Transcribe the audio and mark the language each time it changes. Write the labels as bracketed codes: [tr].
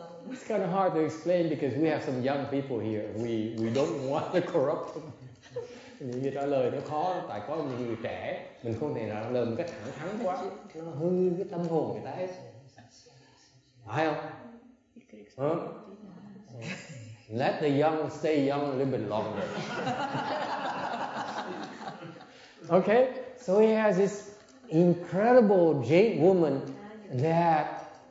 [en] It's kind of hard to explain because we have some young people here. We don't want to corrupt them. [vi] Những cái trả lời nó khó, tại có những người trẻ mình không thể nào lời một cách thẳng thắn quá, nó hư cái tâm hồn người ta ấy, phải không? [en] Let the young stay young a little bit longer. Okay, so he has this incredible jade woman that